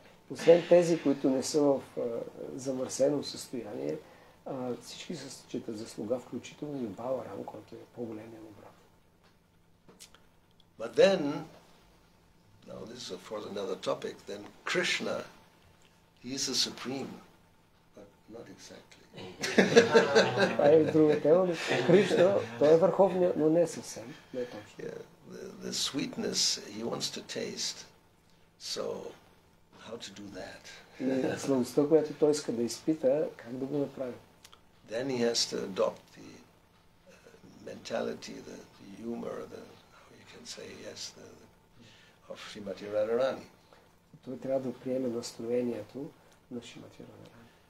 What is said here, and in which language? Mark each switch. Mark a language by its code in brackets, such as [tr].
[bg] Освен тези, които не са в замърсено състояние, всички се считат за слуга, включително и Баларам, който е по-големия му брат. [en] But then, now this is of course another topic, then Krishna, he is the supreme, but not exactly. [bg] Това е друга тема. Кришна, той е върховният, но не съвсем. Не е точно. [en] Yeah, the sweetness he wants to taste, so how to do that? [bg] Сладостта, която той иска да изпита, как да го направи? [en] Then he has to adopt the mentality, the humor, the how you can say yes, the of Shrimati Radharani. [bg] Той трябва да приеме настроението на Шримати Радарани.